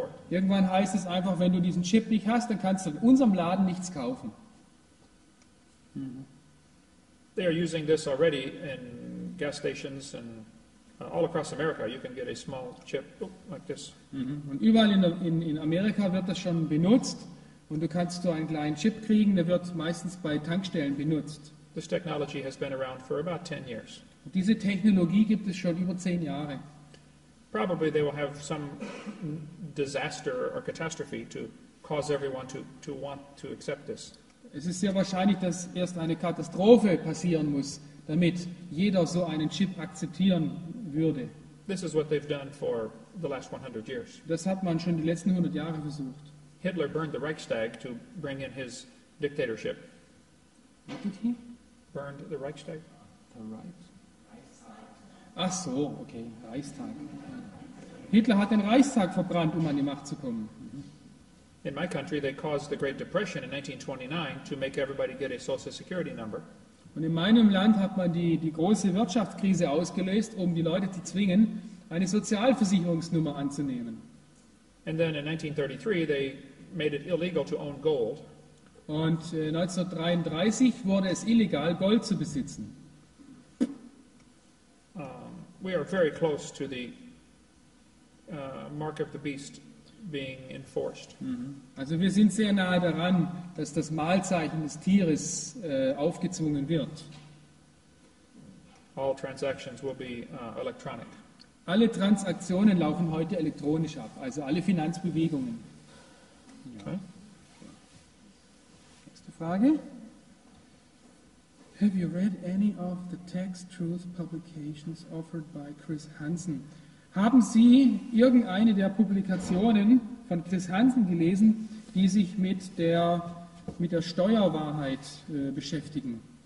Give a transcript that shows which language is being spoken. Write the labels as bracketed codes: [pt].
[de] Irgendwann heißt es einfach, wenn du diesen Chip nicht hast, dann kannst du in unserem Laden nichts kaufen. [en] They are using this already in gas stations and all across America. You can get a small chip like this. [de] Und überall in Amerika wird das schon benutzt und du kannst so einen kleinen Chip kriegen. Der wird meistens bei Tankstellen benutzt. [en] This technology has been around for about 10 years. [de] Diese Technologie gibt es schon über 10 Jahre. [en] Probably they will have some disaster or catastrophe to cause everyone to want to accept this. [de] Es ist sehr wahrscheinlich, dass erst eine Katastrophe passieren muss, damit jeder so einen Chip akzeptieren würde. [en] This is what they've done for the last 100 years. [de] Das hat man schon die letzten 100 Jahre versucht. [en] Hitler burned the Reichstag to bring in his dictatorship. What did he? Burned the Reichstag. [de] The Reichstag. Ach so, okay, Reichstag. Hitler hat den Reichstag verbrannt, um an die Macht zu kommen. [en] In my country, they caused the Great Depression in 1929 to make everybody get a Social Security number. [de] Und in meinem Land hat man die große Wirtschaftskrise ausgelöst, um die Leute zu zwingen, eine Sozialversicherungsnummer anzunehmen. [en] And then in 1933 they made it illegal to own gold. [de] Und 1933 wurde es illegal, Gold zu besitzen. [en] We are very close to the mark of the beast being enforced. [de] Also wir sind sehr nahe daran, dass das Malzeichen des Tieres aufgezwungen wird. [en] All transactions will be electronic. [de] Alle Transaktionen laufen heute elektronisch ab, also alle Finanzbewegungen. Ja. Okay. Nächste Frage. [en] Have you read any of the Text Truth publications offered by Chris Hansen? [de] Haben Sie irgendeine der Publikationen von Chris Hansen gelesen, die sich mit der Steuerwahrheit beschäftigen?